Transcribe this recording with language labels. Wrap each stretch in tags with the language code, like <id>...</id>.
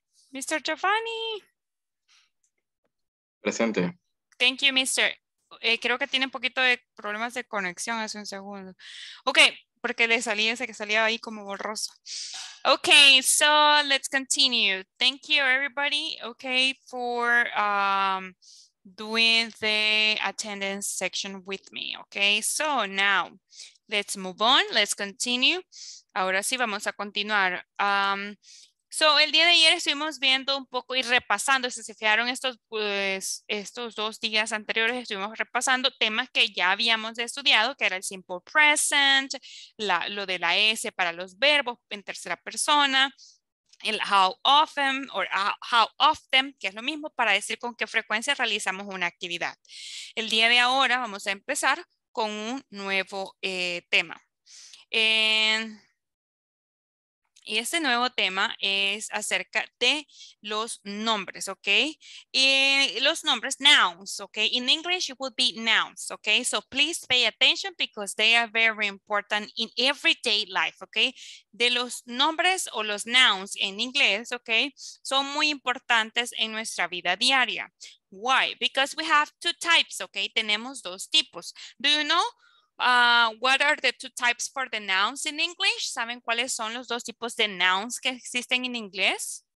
<en>Mr. Giovanni.</en> <es>Presente.</es> <en>Thank you, Mr.</en> <es>Creo que tiene un poquito de problemas de conexión hace un segundo. Ok, porque le salía ese que salía ahí como borroso.</es> <en>Ok, so let's continue. Thank you, everybody, ok, for doing the attendance section with me. Ok, so now let's move on. Let's continue.</en> <es>Ahora sí vamos a continuar. So, el día de ayer estuvimos viendo un poco y repasando, si se fijaron estos, pues, estos dos días anteriores, estuvimos repasando temas que ya habíamos estudiado, que era el simple present, la, lo de la S para los verbos en tercera persona, el how often or how often, que es lo mismo para decir con qué frecuencia realizamos una actividad. El día de ahora vamos a empezar con un nuevo tema. Y este nuevo tema es acerca de los nombres, ¿ok? Y los nombres,</es> <en>nouns, ¿ok? In English, it would be nouns, ¿ok? So please pay attention because they are very important in everyday life, ¿ok?</en> <es>De los nombres o los nouns en inglés, ¿ok? Son muy importantes en nuestra vida diaria.</es> <en>Why? Because we have two types, ¿ok?</en> <es>Tenemos dos tipos.</es> <en>Do you know? What are the two types for the nouns in English?</en> <es>¿Saben cuáles son los dos tipos de nouns que existen en inglés?</es>